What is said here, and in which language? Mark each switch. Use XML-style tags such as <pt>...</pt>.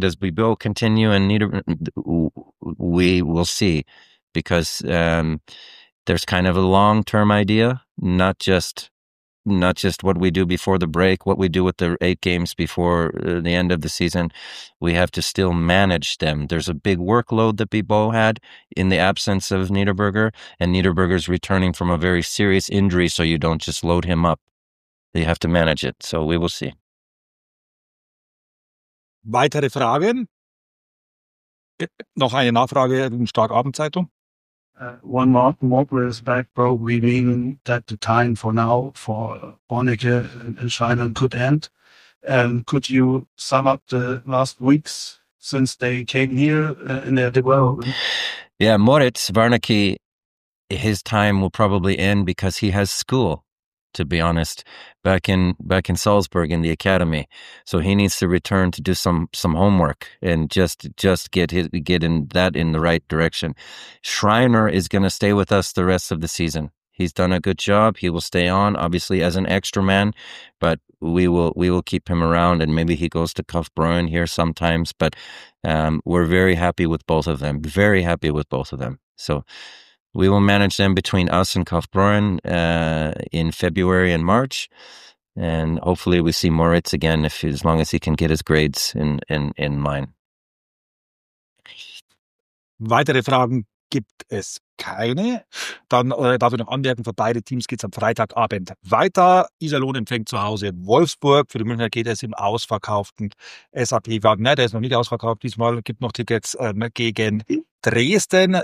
<en>Does Bibo continue and need? We will see, because there's kind of a long-term idea, not just what we do before the break, what we do with the 8 games before the end of the season. We have to still manage them. There's a big workload that Bibo had in the absence of Niederberger, and Niederberger's returning from a very serious injury, so you don't just load him up. You have to manage it, so we will see.</en> <de>Weitere Fragen? Noch eine Nachfrage in Starkabendzeitung?</de> <en>One more, is back, bro. We mean that the time for now for Bornecke and Scheinen could end. And could you sum up the last weeks since they came here in their development? Yeah, Moritz Wernicke, his time will probably end because he has school, to be honest, back in Salzburg in the academy. So he needs to return to do some homework and just get in that in the right direction. Schreiner is going to stay with us the rest of the season. He's done a good job. He will stay on, obviously, as an extra man, but we will keep him around, and maybe he goes to Kaufbeuren here sometimes. But we're very happy with both of them. Very happy with both of them. So we will manage them between us and Kaufbeuren in February and March. And hopefully we see Moritz again, as long as he can get his grades in line.</en> <de>Weitere Fragen gibt es keine. Dann darf ich noch anmerken, für beide Teams geht es am Freitagabend weiter. Iserlohn empfängt zu Hause Wolfsburg. Für die Münchner geht es im ausverkauften SAP Wagner. Der ist noch nicht ausverkauft. Diesmal gibt noch Tickets gegen Dresden.</de>